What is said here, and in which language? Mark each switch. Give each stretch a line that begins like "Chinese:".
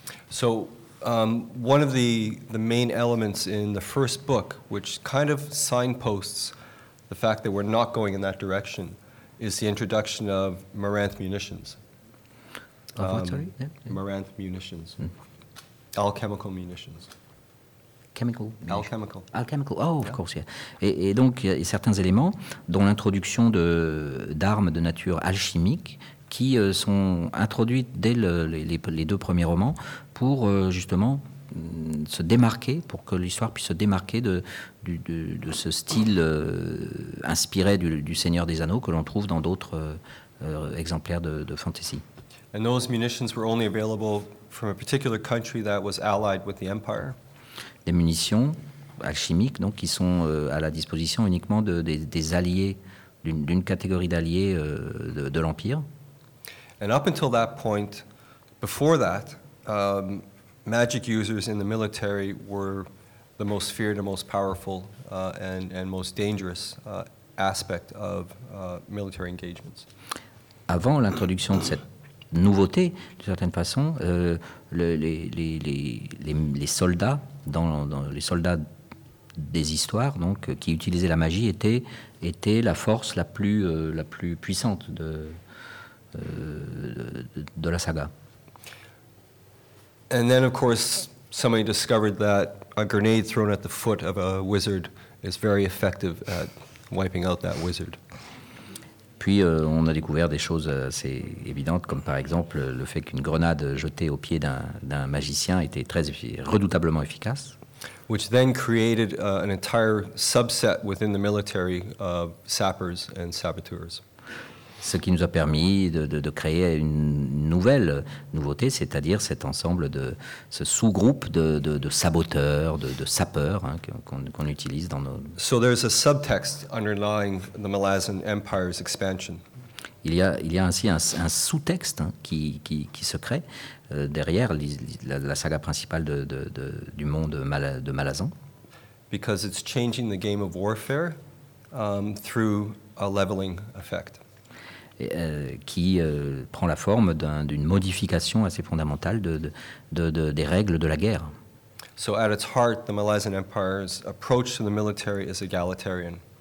English: So one of the main elements in the first book, which kind of signposts the fact that we're not going in that direction, is the introduction of Marantha munitions. Marantha munitions. Alchemical munitions. Alchemical. Oh, of course, yeah.
French: Et donc, il y a certains éléments, dont l'introduction d'armes de nature alchimique, qui sont introduites dès les deux premiers romans pour justement se démarquer, pour que l'histoire puisse se démarquer de ce style inspiré du Seigneur des Anneaux que l'on trouve dans d'autres exemplaires de fantasy.
English: And those munitions were only available from a particular country that was allied with the Empire.
French: Des munitions alchimiques donc, qui sont à la disposition uniquement des alliés, d'une catégorie d'alliés de l'Empire.
English: And up until that point, before that, magic users in the military were the most feared, the most powerful, and most dangerous aspect of military engagements.
French: Avant l'introduction de cette nouveauté, d'une certaine façon, les soldats, dans les soldats des histoires, donc, qui utilisaient la magie, étaient la force la plus puissante de la saga.
English: And then, of course, somebody discovered that a grenade thrown at the foot of a wizard is very effective at wiping out that wizard.
French: Puis on a découvert des choses assez évidentes, comme par exemple le fait qu'une grenade jetée au pied d'un magicien était très redoutablement efficace.
English: Which then created an entire subset within the military of sappers and saboteurs.
French: Ce qui nous a permis de créer une nouvelle nouveauté, c'est-à-dire cet ensemble de ce sous-groupe de saboteurs, de sapeurs hein, qu'on utilise dans nos.
English: So there's a subtext underlying the Malazan Empire's expansion.
French: Il y a ainsi un sous-texte hein, qui se crée derrière la saga principale du monde de Malazan.
English: Because it's changing the game of warfare through a leveling effect.
French: Qui prend la forme d'une modification assez fondamentale des règles de la guerre.
English: So at its heart, the Malazan Empire's approach to the military is egalitarian.